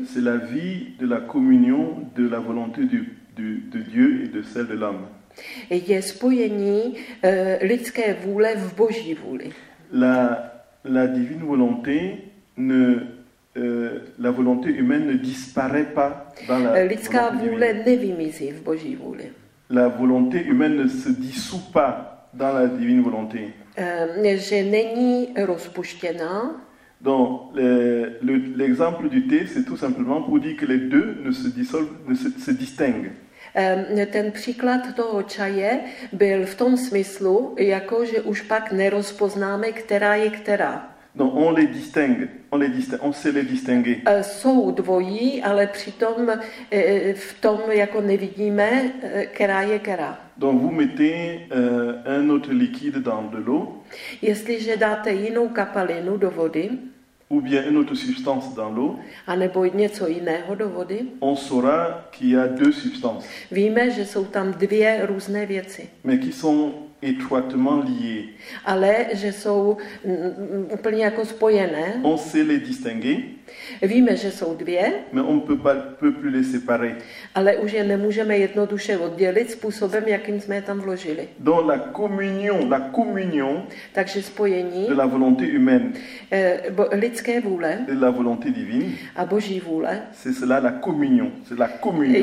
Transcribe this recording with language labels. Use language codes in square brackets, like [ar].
[fr] C'est la vie de la communion de la volonté de Dieu et de celle de l'homme. [cs] Je spojení lidské vůle v Boží vůli. [fr] La divine volonté ne la volonté humaine ne disparaît pas dans la [cs] lidská vůle nevymizí v Boží vůli. [fr] La volonté humaine ne se dissout pas dans la divine volonté. [cs] že není rozpuštěná. [fr] Donc l'exemple du thé, c'est tout simplement pour dire que les deux ne se dissolvent, ne se distinguent. [cs] Ten příklad toho čaje byl v tom smyslu, jako že už pak nerozpoznáme, která je která. [fr] Non, on les distingue, on sait les distinguer. [cs] Jsou dvojí, ale přitom v tom jako nevidíme, která je která. [fr] Donc vous mettez un autre liquide dans de l'eau. [cs] Jestliže dáte jinou kapalinu do vody. [fr] Ou bien une autre substance dans l'eau. [cs] A nebo něco jiného do vody. [fr] On saura qu'il y a deux substances. [cs] Víme, že jsou tam dvě různé věci. [fr] Mais qui sont étroitement liées. [cs] Ale že jsou úplně jako spojené. [fr] On sait les distinguer. [cs] Víme, že jsou dvě. [fr] Mais on peut plus les séparer. [cs] Ale už je nemůžeme jednoduše oddělit způsobem, jakým jsme je tam vložili. [fr] Dans la communion. [cs] Takže spojení. [fr] De la volonté humaine. [cs] Lidské vůle. [fr] De la volonté divine. [cs] A boží vůle. [fr] C'est cela la communion. C'est la communion.